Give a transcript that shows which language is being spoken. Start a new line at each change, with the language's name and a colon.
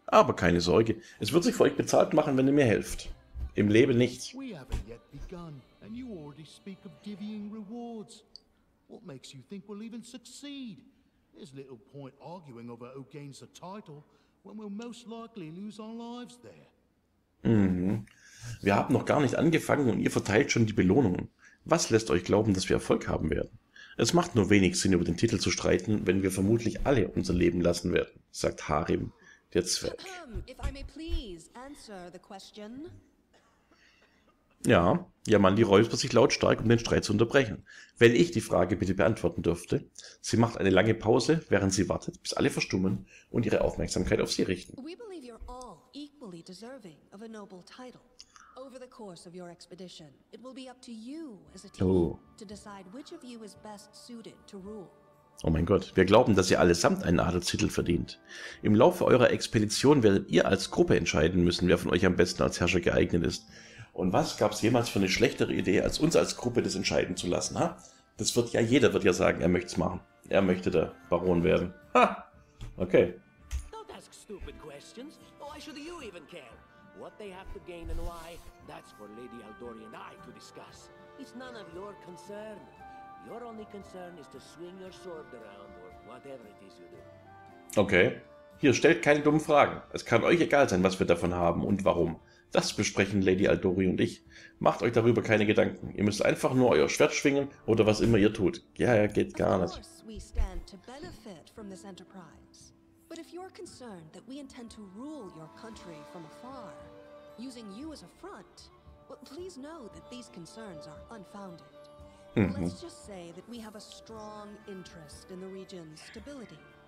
German: Aber keine Sorge, es wird sich für euch bezahlt machen, wenn ihr mir helft. Im Leben nicht.
English: We haven't yet begun, and you already speak of giving rewards. What makes you think we'll even succeed? There's little point arguing over who gains the title, when we'll most likely lose our lives there.
German: Wir haben noch gar nicht angefangen und ihr verteilt schon die Belohnungen. Was lässt euch glauben, dass wir Erfolg haben werden? Es macht nur wenig Sinn, über den Titel zu streiten, wenn wir vermutlich alle unser Leben lassen werden, sagt Harim, der Zwerg.
English: If I may please answer the question.
German: Ja, Yamandi räuspert sich lautstark, um den Streit zu unterbrechen. Wenn ich die Frage bitte beantworten dürfte. Sie macht eine lange Pause, während sie wartet, bis alle verstummen und ihre Aufmerksamkeit auf sie richten.
English: We believe you're all equally deserving of a noble title. Over the course of your expedition, it will be up to you as a team Oh. to decide which of you is best suited to rule.
German: Oh mein Gott, wir glauben, dass ihr allesamt einen Adelstitel verdient. Im Laufe eurer Expedition werdet ihr als Gruppe entscheiden müssen, wer von euch am besten als Herrscher geeignet ist. Und was gab es jemals für eine schlechtere Idee, als uns als Gruppe das entscheiden zu lassen, ha? Das wird ja jeder wird ja sagen, er möchte es machen. Er möchte der Baron werden. Ha! Okay.
English: Don't ask stupid questions. Why should you even care? What they have to gain and why, that's for Lady Aldori and I to discuss. It's none of your concern. Your only concern is to swing your sword around or whatever it is you do.
German: Okay. Hier, stellt keine dummen Fragen. Es kann euch egal sein, was wir davon haben und warum. Das besprechen Lady Aldori und ich. Macht euch darüber keine Gedanken. Ihr müsst einfach nur euer Schwert schwingen oder was immer ihr tut. Ja, geht
English: Of
German: gar nicht.
English: course, we stand to benefit from this enterprise. But if you're concerned that we intend to rule your country from afar, using you as a front, well, please know that these concerns are unfounded. Let's just say that we have a strong interest in the region's stability.